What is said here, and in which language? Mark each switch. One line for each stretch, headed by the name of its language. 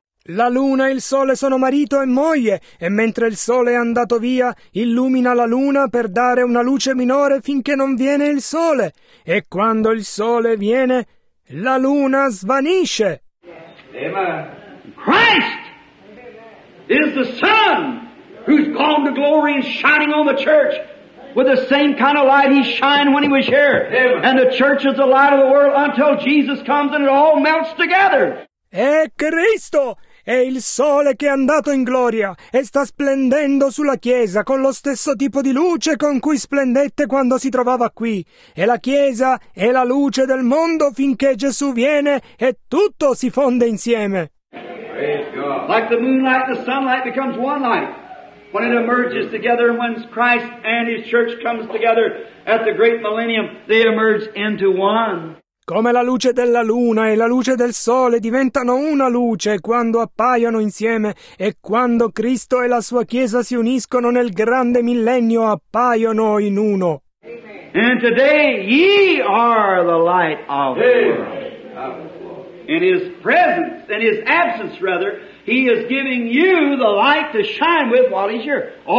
Italian: La luna e il sole sono marito e moglie, e mentre il sole è andato via, illumina la luna per dare una luce minore finché non viene il sole. E quando il sole viene, la luna svanisce. Amen.
English: Christ is the sun who's gone to glory and shining on the church with the same kind of light he shined when he was here. Amen. And the church is the light of the world until Jesus comes and it all melts together.
Italian: È Cristo! È il sole che è andato in gloria e sta splendendo sulla Chiesa con lo stesso tipo di luce con cui splendette quando si trovava qui. E la Chiesa è la luce del mondo finché Gesù viene e tutto si fonde insieme.
English: Praise God. Like the moonlight, the sunlight becomes one light. When it emerges together, when Christ and His church comes together at the great millennium, they emerge into one.
Italian: Come la luce della luna e la luce del sole diventano una luce quando appaiono insieme e quando Cristo e la sua Chiesa si uniscono nel grande millennio appaiono in uno.
English: And today ye are the light of the world. In His presence, in His absence rather, He is giving you the light to shine with while He's here.